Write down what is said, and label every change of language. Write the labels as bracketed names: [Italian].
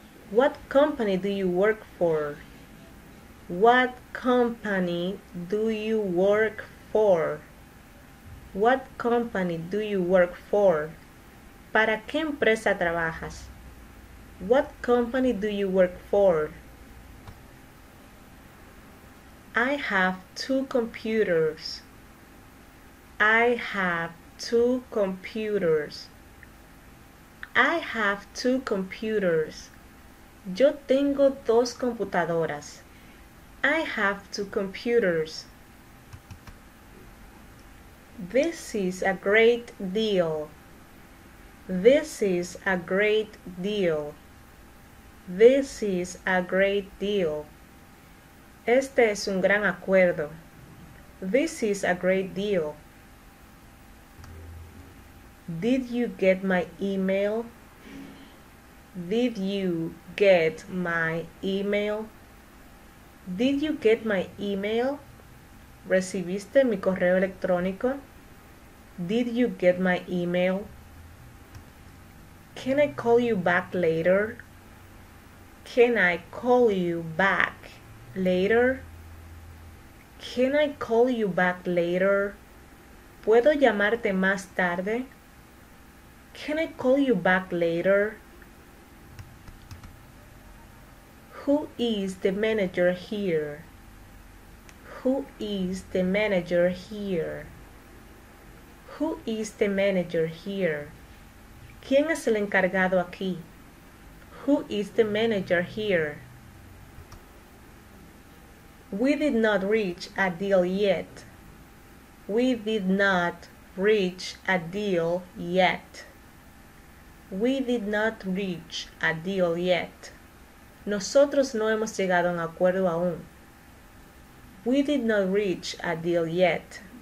[English] What company do you work for? What company do you work for? What company do you work for? [Spanish] ¿Para qué empresa trabajas? [English] What company do you work for? I have two computers. I have two computers. I have two computers. [Spanish] Yo tengo dos computadoras. [English] I have two computers. This is a great deal. This is a great deal. This is a great deal. [Spanish] Este es un gran acuerdo. [English] This is a great deal. Did you get my email? Did you get my email? Did you get my email? [Spanish] ¿Recibiste mi correo electrónico? [English] Did you get my email? Can I call you back later? Can I call you back later? Can I call you back later? [Spanish] ¿Puedo llamarte más tarde? [English] Can I call you back later? Who is the manager here? Who is the manager here? Who is the manager here? [Spanish] ¿Quién es el encargado aquí? [English] Who is the manager here? We did not reach a deal yet. We did not reach a deal yet. We did not reach a deal yet. [Spanish] Nosotros no hemos llegado a un acuerdo aún. [English] We did not reach a deal yet.